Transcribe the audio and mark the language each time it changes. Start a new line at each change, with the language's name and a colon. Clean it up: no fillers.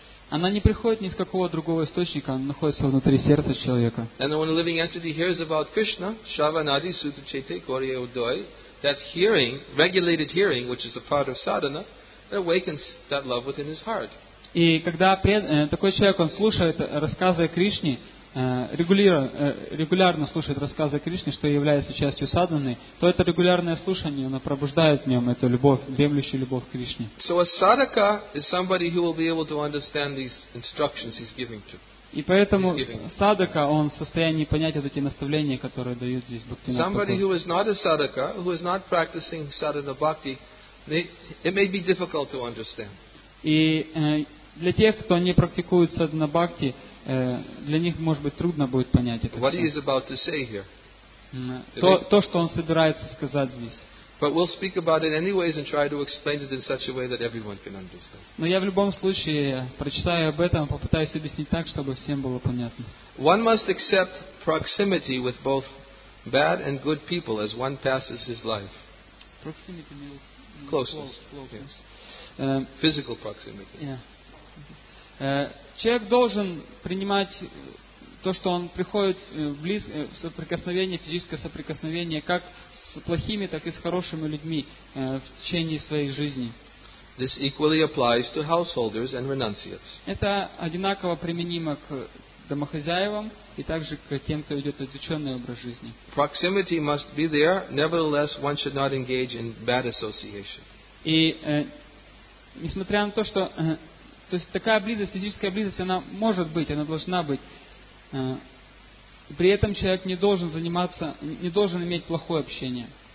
Russian: Она не приходит ни из какого другого источника, она находится внутри сердца человека.
English: And when a living entity hears about Krishna,
Bangla: Shravanadi Suta Chete Koriya Udoy,
English: that hearing, regulated hearing, which is a part of sadhana, it awakens that love within his heart.
Russian: И когда такой человек, он слушает рассказы о Кришне, регулярно слушает рассказы о Кришне, что является частью садханы, то это регулярное слушание, оно пробуждает в нем эту любовь, дремлющую любовь к Кришне.
English: So a sadhaka is somebody who will be able to understand these instructions he's giving to.
Russian: И поэтому садхака, он в состоянии понять вот эти наставления, которые дают здесь Бхактивинода
English: Somebody who is not a sadhaka, who is not practicing sadhana bhakti, it may be difficult to understand.
Russian: И для тех, кто не практикует садхана бхакти, для них, может быть, трудно будет понять это.
English: What he is about to say here.
Russian: То, что он собирается сказать здесь.
English: But we'll speak about it anyways and try to explain it in such a way that everyone can understand.
Russian: Но я в любом случае прочитаю об этом, попытаюсь объяснить так, чтобы всем было понятно.
English: One must accept proximity with both bad and good people as one passes his life. Proximity means closeness. Physical proximity. Yeah.
Russian: Человек должен принимать то, что он приходит в соприкосновение, физическое соприкосновение, как с плохими, так и с хорошими людьми в течение своей жизни.
English: This equally applies to householders and renunciates.
Russian: Это одинаково применимо к домохозяевам и также к тем, кто ведет отвлеченный образ жизни.
English: Proximity must be there. Nevertheless, one should not engage in bad association.
Russian: И несмотря на то, что То есть такая близость, физическая близость, она может быть, она должна быть. При этом человек не должен заниматься, не должен иметь плохое общение.